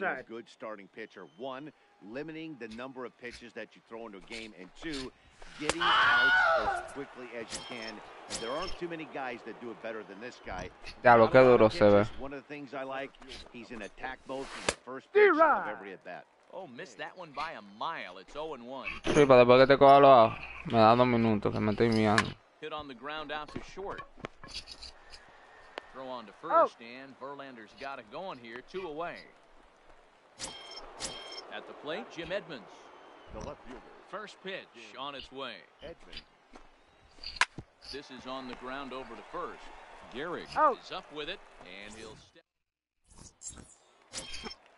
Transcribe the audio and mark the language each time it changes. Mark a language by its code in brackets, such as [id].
[en] Being a good starting pitcher, one, limiting the number of pitches that you throw into a game, and two, getting out as quickly as you can. There aren't too many guys that do it better than this guy. [es] Ya lo que duro se ve. [en] One of the things I like, he's in attack mode from the first pitch D-Rod. Of every at bat. Oh, missed that one by a mile. It's 0-1. [es] Sí, para después que te coja los ajos. Me da dos minutos, que me estoy mirando. [en] Hit on the ground out to short. Throw on to first, and Verlander's got it going here. Two away. At the plate, Jim Edmonds. The left fielder. First pitch on its way. Edmonds. This is on the ground over to first. Gehrig is up with it, and he'll step.